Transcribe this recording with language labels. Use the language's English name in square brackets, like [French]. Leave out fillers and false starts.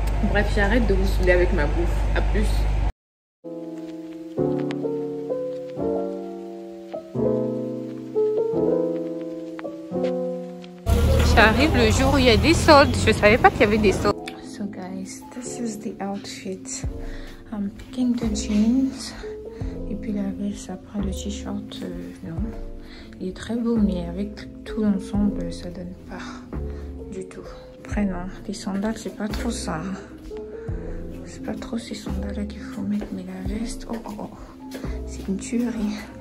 [French] Bref, j'arrête de vous saouler avec ma bouffe. A plus. J'arrive le jour où il y a des soldes. Je savais pas qu'il y avait des soldes. [English] So guys, this is the outfit. I'm picking the jeans. [French] Et puis la veste, après le t-shirt. Non. Il est très beau, mais avec tout l'ensemble, ça donne pas du tout. Après non, les sandales, c'est pas trop ça. C'est pas trop ces sandales qu'il faut mettre, mais la veste, oh, oh, c'est une tuerie.